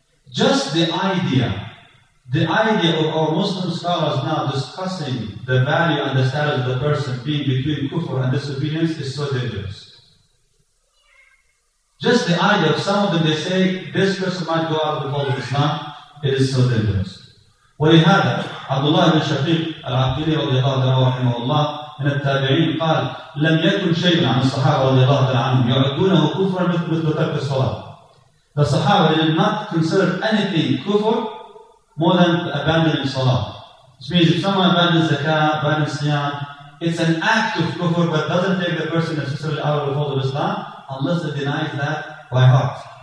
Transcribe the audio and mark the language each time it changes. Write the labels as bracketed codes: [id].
[en] Just the idea of our Muslim scholars now discussing the value and the status of the person being between kufr and disobedience is so dangerous. Just the idea of some of them, they say, this person might go out of the fold of Islam, it is so dangerous. [ar] وَلِهَذَا عَبْدُ ibn Shafiq al-Aqili رَضِيَ اللَّهُ من التابعين قال لم يكن شيء عن الصحابة رضي الله تعالى عنهم يعدونه كفرا مثل ترك الصلاة. [en] The Sahaba did not consider anything kufr more than abandoning salah. Which means if someone abandons zakah, abandons siyam, it's an act of kufr but doesn't take the person necessarily out of the fold of Islam unless it denies that by heart.